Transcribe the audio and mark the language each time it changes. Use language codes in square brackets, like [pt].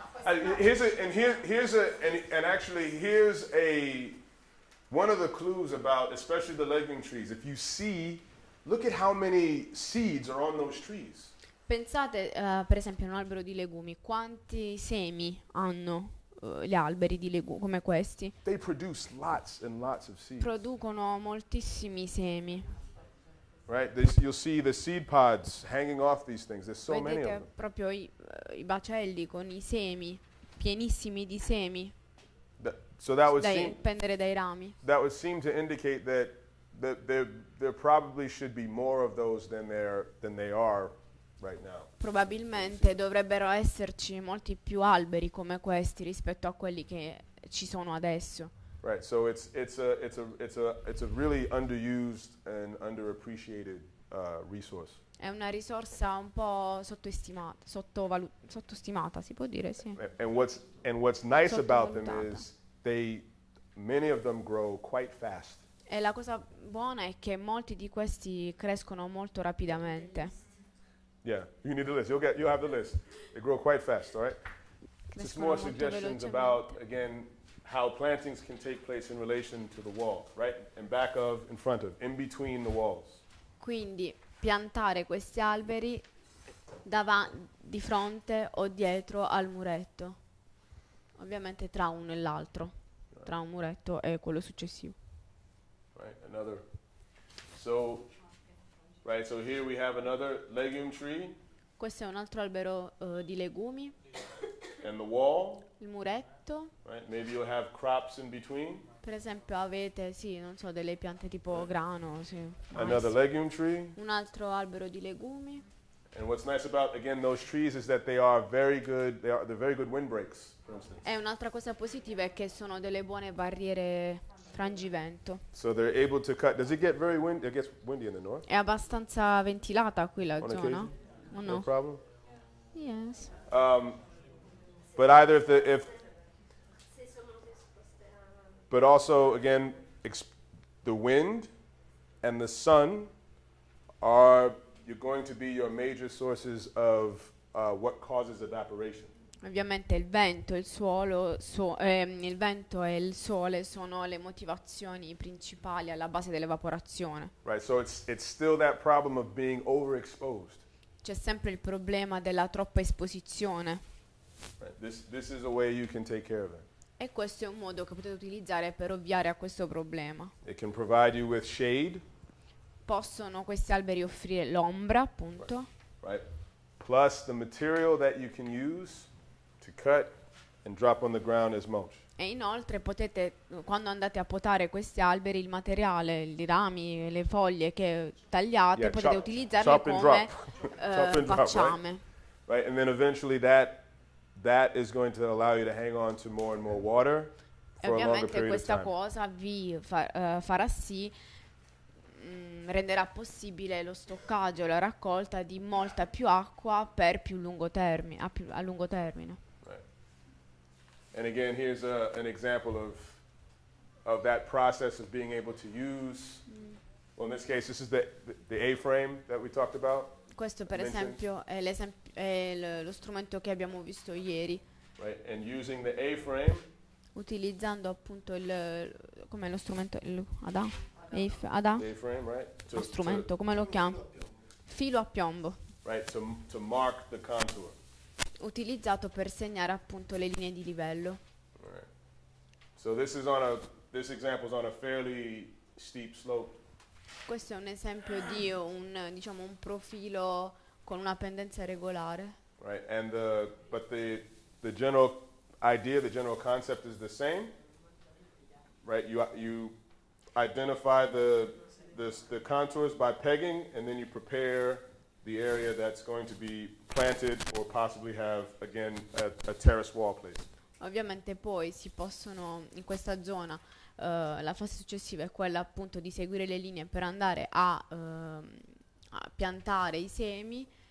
[en] Here's one of the clues about especially the legume trees. If you see, look at how many seeds are on those trees. [it] Pensate, per esempio, a un albero di legumi. Quanti semi hanno gli alberi di legumi come questi? [en] They produce lots and lots of seeds. [it] Producono moltissimi semi. [en] Right? You'll see the seed pods hanging off these things. There's so [it] vedete [en] many of them. [it] Vedete proprio i bacelli con i semi, pienissimi di semi. Pendere dai rami. [en] That would seem to indicate that there probably should be more of those than they are. Right now. [it] Probabilmente dovrebbero esserci molti più alberi come questi rispetto a quelli che ci sono adesso. [en] Right, so it's a really underused and underappreciated resource. [it] È una risorsa un po' sottostimata, si può dire, sì. [en] And what's nice about them is many of them grow quite fast. [it] E la cosa buona è che molti di questi crescono molto rapidamente. [en] Yeah, you need the list. You'll have the list. They grow quite fast, all right? Just more suggestions about, again, how plantings can take place in relation to the wall, right? And back of, in front of, in between the walls. [it] Quindi, piantare questi alberi di fronte o dietro al muretto. Ovviamente tra uno e l'altro, tra un muretto e quello successivo. [en] Right, another. So, right, so here we have another legume tree. [it] Questo è un altro albero di legumi. [en] And the wall. [it] Il muretto. [en] Right, maybe you have crops in between. [it] Per esempio avete, sì, non so, delle piante tipo grano, sì. [en] Another legume tree. [it] Un altro albero di legumi. [en] And what's nice about, again, those trees is that they are very good, they're very good windbreaks, for instance. [it] E un'altra cosa positiva è che sono delle buone barriere frangivento. [en] So they're able to cut, does it get very windy? It gets windy in the north? [it] È abbastanza ventilata qui la [en] on [it] zona, [en] occasion? [it] O no? [en] No problem? Yes. But either if, but also, again, the wind and the sun are... You're going to be your major sources of what causes evaporation. [it] Ovviamente il vento, il suolo, il vento e il sole sono le motivazioni principali alla base dell'evaporazione. [en] Right, so it's still that problem of being overexposed. [it] C'è sempre il problema della troppa esposizione. [en] Right, this is a way you can take care of it. [it] E questo è un modo che potete utilizzare per ovviare a questo problema. [en] It can provide you with shade. [it] Possono questi alberi offrire l'ombra, appunto. [en] Right. Plus the material that you can use to cut and drop on the ground is mulch. [it] E inoltre potete, quando andate a potare questi alberi, il materiale, i rami, le foglie che tagliate, [en] yeah, [it] potete utilizzarle come facciame. [en] Right, and then eventually that is going to allow you to hang on to more and more water for a longer period of time. [it] E ovviamente questa cosa vi farà sì, renderà possibile lo stoccaggio, la raccolta di molta più acqua per più lungo termine, a lungo termine. [en] Right. And again, here's an example of that process of being able to use. Mm. Well, in this case, this is the A-frame that we talked about. [it] Questo, per esempio, è lo strumento che abbiamo visto ieri. [en] Right. And using the A-frame. [it] Utilizzando appunto il come lo strumento ad A. [en] Right? [it] Lo strumento, come lo chiamo? Filo a piombo. [en] Right, to mark the contour. [it] Utilizzato per segnare appunto le linee di livello. [en] Right. So this example is on a fairly steep slope. [it] Questo è un esempio di un profilo con una pendenza regolare. [en] Right, and but the general idea, the general concept is the same. Right, you identify the contours by pegging, and then you prepare the area that's going to be planted or possibly have again a terrace wall placed. [it] Ovviamente poi si possono in questa zona la fase successiva è quella appunto di seguire le linee per andare a piantare i semi.